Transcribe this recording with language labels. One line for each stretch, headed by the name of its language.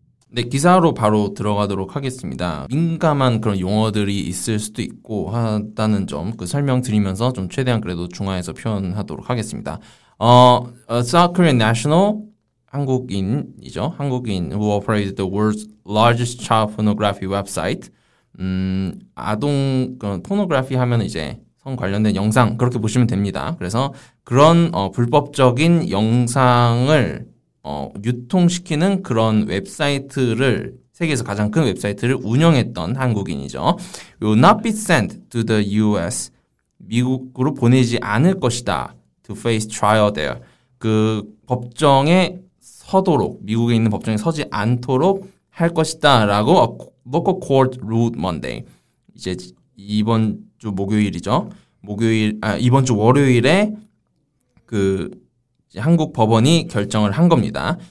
Korean: 네, 기사로 바로 들어가도록 하겠습니다. 민감한 그런 용어들이 있을 수도 있고 하다는 점 그 설명드리면서 좀 최대한 그래도 중화해서 표현하도록 하겠습니다.
English: South Korean national
Korean: 한국인이죠. 한국인
English: who operated the world's largest child pornography website.
Korean: 아동 그 포노그래피 하면 이제 성 관련된 영상 그렇게 보시면 됩니다. 그래서 그런 불법적인 영상을 유통시키는 그런 웹사이트를 세계에서 가장 큰 웹사이트를 운영했던 한국인이죠.
English: Will not be sent to the U.S.
Korean: 미국으로 보내지 않을 것이다.
English: To face trial there.
Korean: 그 법정에 서도록 미국에 있는 법정에 서지 않도록 할 것이다. 라고
English: local court ruled Monday.
Korean: 이제 이번 주 목요일이죠. 이번 주 월요일에 그 한국 법원이 결정을 한 겁니다.